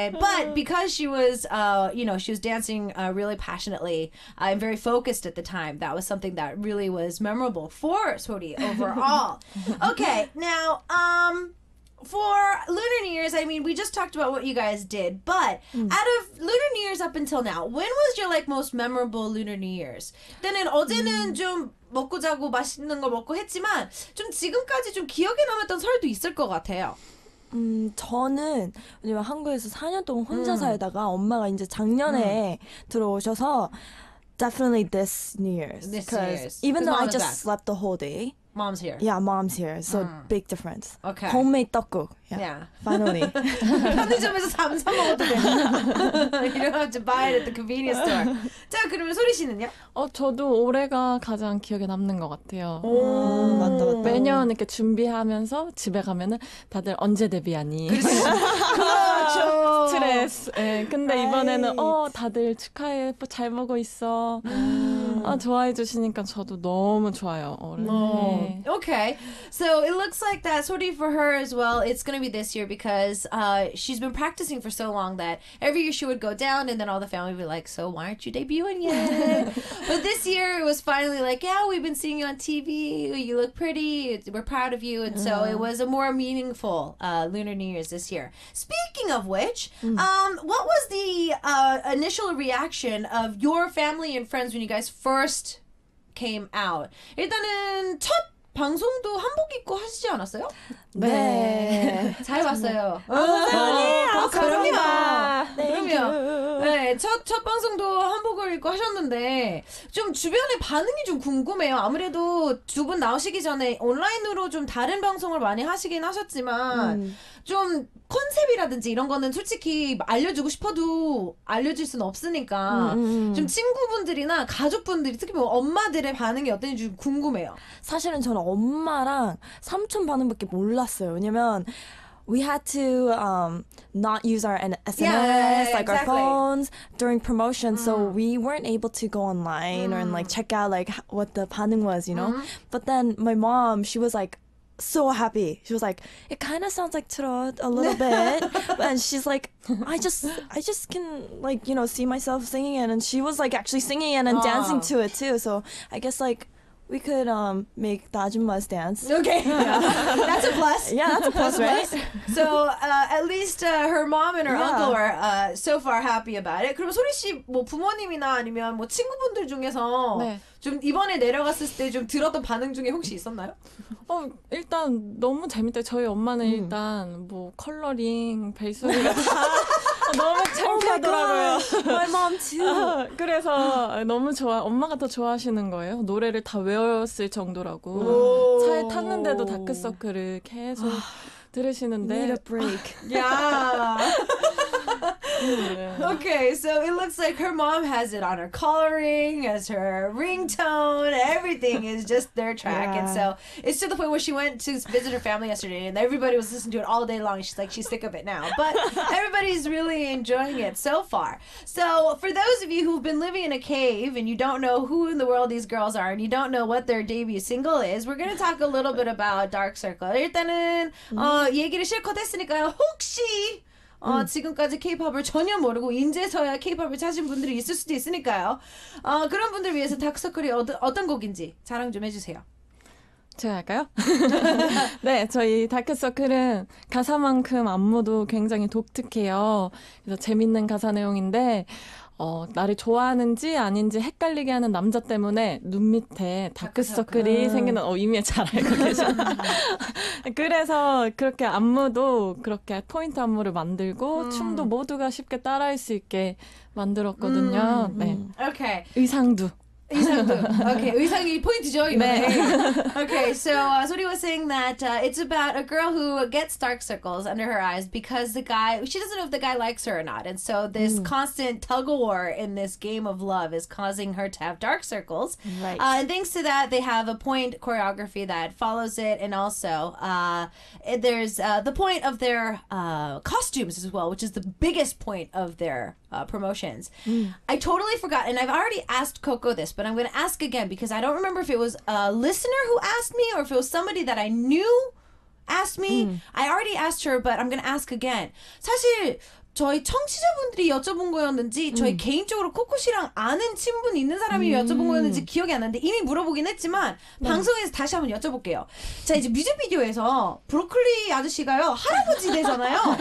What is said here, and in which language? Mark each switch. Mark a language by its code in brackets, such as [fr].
[en] But because she was, you know, she was dancing really passionately and very focused at the time, that was something that really was memorable for Sori overall. Okay, now, for Lunar New Year's, I mean, we just talked about what you guys did. But out of Lunar New Year's up until now, when was your, like, most memorable Lunar New Year's? [ko] 때는 어제는 좀 먹고 자고 맛있는 거 먹고 했지만 좀 지금까지 좀 기억에 남았던 설도 있을 것 같아요. 저는 왜냐면 한국에서 4년 동안 혼자 살다가 엄마가 이제 작년에 들어오셔서 [en] definitely this New Year's. This year. Even though I just slept the whole day. Mom's here. Yeah, mom's here. So big difference. Okay. Homemade 떡국. Yeah. Finally. [ko] 편의점에서 삼삼 먹어도 되나? [en] You don't have to buy it at the convenience store. [ko] 자, 그러면 소리 씨는요? 저도 올해가 가장 기억에 남는 것 같아요. 오, 맞다, 맞다. 매년 이렇게 준비하면서 집에 가면은 다들 언제 데뷔하니? 그렇죠. 스트레스. 네, 근데 right. 이번에는 다들 축하해. 잘 먹고 있어. 좋아해 주시니까 저도 너무 좋아요. 네. [en] Okay, so it looks like that Sori for her as well, it's going to be this year because she's been practicing for so long that every year she would go down and then all the family would be like, so why aren't you debuting yet? But this year it was finally like, yeah, we've been seeing you on TV, you look pretty, we're proud of you. And so it was a more meaningful Lunar New Year's this year. Speaking of which, what was the initial reaction of your family and friends when you guys first came out? [ko] 일단은 첫 방송도 한복 입고 하시지 않았어요? 네. 잘 봤어요. 감사합니다. 그럼요. 그럼요. 네, 첫 방송도 한복을 입고 하셨는데 좀 주변의 반응이 좀 궁금해요. 아무래도 두 분 나오시기 전에 온라인으로 좀 다른 방송을 많이 하시긴 하셨지만 좀 컨셉이라든지 이런 거는 솔직히 알려주고 싶어도 알려줄 수는 없으니까 좀 친구분들이나 가족분들이 특히 뭐 엄마들의 반응이 어땠는지 좀 궁금해요. 사실은 저는 엄마랑 삼촌 반응밖에 몰랐어요. 왜냐면 [en] we had to not use our SNS, exactly. phones during promotion, so we weren't able to go online or like check out like what the 반응 was, you know? But then my mom, she was like, so happy. She was like, it kind of sounds like trot a little bit. And she's like, I just can like, you know, see myself singing it. And she was like actually singing it and dancing to it too. So I guess like we could make Dajumma's dance. Okay. Yeah. That's a plus. Yeah, that's a plus, right? So at least her mom and her uncle are so far happy about it. [ko] 그럼 소리 씨 뭐 부모님이나 아니면 뭐 친구분들 중에서 좀 이번에 내려갔을 때 좀 들었던 반응 중에 혹시 있었나요? 일단 너무 재밌대. 저희 엄마는 일단 뭐 컬러링, 벨소리가 다 너무 창피하더라고요. [en] My mom too. [ko] 그래서 너무 좋아. 엄마가 더 좋아하시는 거예요. 노래를 다 외웠을 정도라고. 차에 탔는데도 다크서클을 계속 들으시는데. [en] Need a break. Yeah. Okay, so it looks like her mom has it on her collar ring, as her ringtone. Everything is just their track, yeah. And so it's to the point where she went to visit her family yesterday, and everybody was listening to it all day long. She's like, she's sick of it now, but everybody's really enjoying it so far. So for those of you who've been living in a cave and you don't know who in the world these girls are and you don't know what their debut single is, we're gonna talk a little bit about Dark Circle. [ko] 일단은 얘기를 실컷 했으니까요. 혹시 지금까지 K-POP을 전혀 모르고 이제서야 K-POP을 찾은 분들이 있을 수도 있으니까요. 그런 분들을 위해서 다크서클이 어떤 곡인지 자랑 좀 해주세요. 제가 할까요? 네, 저희 다크서클은 가사만큼 안무도 굉장히 독특해요. 그래서 재밌는 가사 내용인데 나를 좋아하는지 아닌지 헷갈리게 하는 남자 때문에 눈 밑에 다크서클이 생기는 이미 잘 알고 계셔. 그래서 그렇게 안무도 그렇게 포인트 안무를 만들고 춤도 모두가 쉽게 따라할 수 있게 만들었거든요. 네. [en] Okay. [ko] 의상도. 의상도. Okay, 의상이 포인트죠, 이번에. 네. [en] Okay, so Sori was saying that it's about a girl who gets dark circles under her eyes because the guy, she doesn't know if the guy likes her or not. And so this constant tug-of-war in this game of love is causing her to have dark circles. Right. And thanks to that, they have a point choreography that follows it. And also, there's the point of their costumes as well, which is the biggest point of their promotions. I totally forgot, and I've already asked Coco this, but I'm going to ask again because I don't remember if it was a listener who asked me or if it was somebody that I knew asked me. I already asked her, but I'm going to ask again. [ko] 사실 저희 청취자분들이 여쭤본 거였는지 저희 개인적으로 코코 씨랑 아는 친분 있는 사람이 여쭤본 거였는지 기억이 안 나는데 이미 물어보긴 했지만 방송에서 다시 한번 여쭤볼게요. 자, 이제 뮤직비디오에서 브로콜리 아저씨가요 할아버지 되잖아요.